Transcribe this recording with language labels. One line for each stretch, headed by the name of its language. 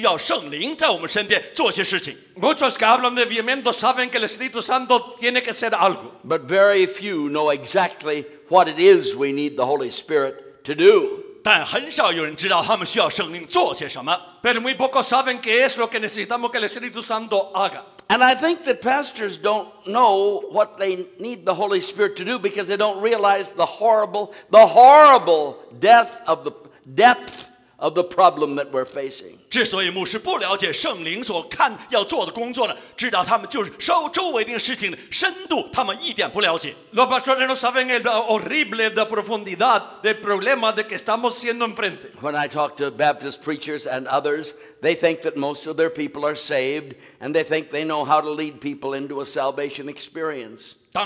Chinese: 许多宣讲这有关复兴的那些宣道士知道呢，我们需要圣灵在我们身边做些事情。
Spanish: Muchos que hablan de avivamiento saben que el Espíritu Santo tiene que ser algo.
English: But very few know exactly what it is we need the Holy Spirit to do.
Chinese: 但很少有人知道他们需要圣灵做些什么。
Spanish: Pero muy pocos saben qué es lo que necesitamos que el Espíritu Santo haga.
English: And I think that pastors don't know what they need the Holy Spirit to do because they don't realize the horrible depth of the problem that we're facing.
Chinese: 之所以牧师不了解圣灵所看要做的工作呢，知道他们就是受周围的事情的深度，他们一点不了解。
Spanish: Los pastores no saben el horrible de profundidad del problema de que estamos siendo enfrente.
English: When I talk to Baptist preachers and others, they think that most of their people are saved, and they think they know how to lead people into a salvation experience.